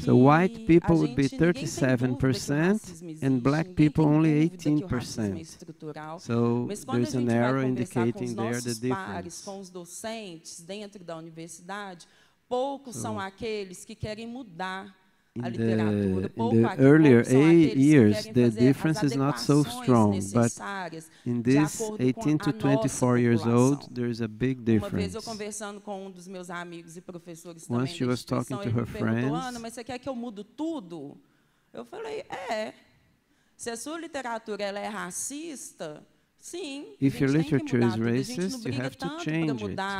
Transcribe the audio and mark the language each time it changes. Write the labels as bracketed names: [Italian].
[English] so white people would be 37% and black people only 18%. So there's an error indicating there the difference. [Portuguese] Com os docentes dentro da universidade, poucos são aqueles que querem mudar [English] in the earlier years, the difference is not so strong, but in this 18 to 24 years old, there is a big difference. [Portuguese] Uma vez eu conversando com um dos meus amigos e professores também, [English] once she was talking to her friends, [Portuguese] Ana, mas você quer que eu mude tudo? Eu falei, se a sua literatura ela é racista, sim, [English] if your literature is racist, [Portuguese] a gente não briga [English] you have to change [Portuguese] tanto mudar